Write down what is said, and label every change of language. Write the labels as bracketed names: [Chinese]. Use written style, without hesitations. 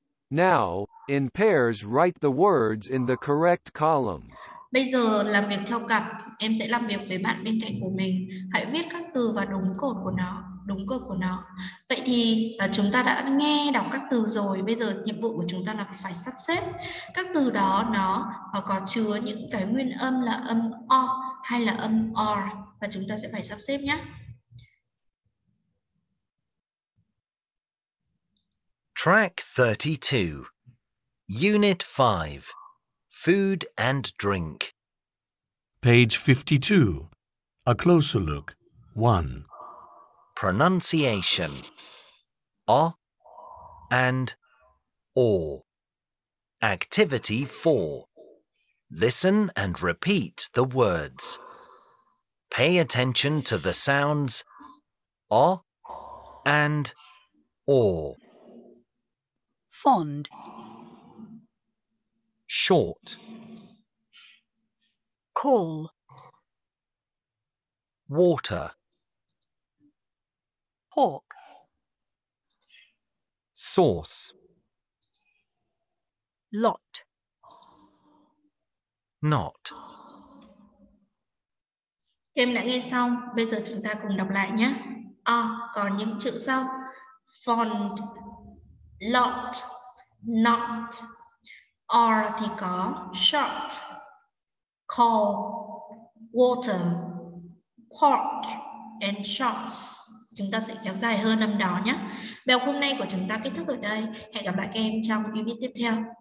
[English] Now, in pairs, write the words in the correct columns. [Vietnamese] Bây giờ làm việc theo cặp, em sẽ làm việc với bạn bên cạnh của mình. Hãy viết các từ vào đúng cột của nó, đúng cột của nó. Vậy thì chúng ta đã nghe đọc các từ rồi. Bây giờ nhiệm vụ của chúng ta là phải sắp xếp các từ đó, nó có chứa những cái nguyên âm là âm o hay là âm r, và chúng ta sẽ phải sắp xếp nhé. [English] Track 32, Unit 5, Food and Drink. Page 52, A Closer Look, 1. Pronunciation, a and or. Activity 4, listen and repeat the words. Pay attention to the sounds a and or. Fond. Short. Call. Water. Pork. Sauce. Lot. Not. [Vietnamese] Em đã nghe xong, bây giờ chúng ta cùng đọc lại nhé. À, còn những chữ sau. [English] Fond, lot, not, [Vietnamese] r thì có, [English] short, call, water, pork, and shots. [Vietnamese] Chúng ta sẽ kéo dài hơn âm đó nhé. Bài học hôm nay của chúng ta kết thúc ở đây. Hẹn gặp lại các em trong unit tiếp theo.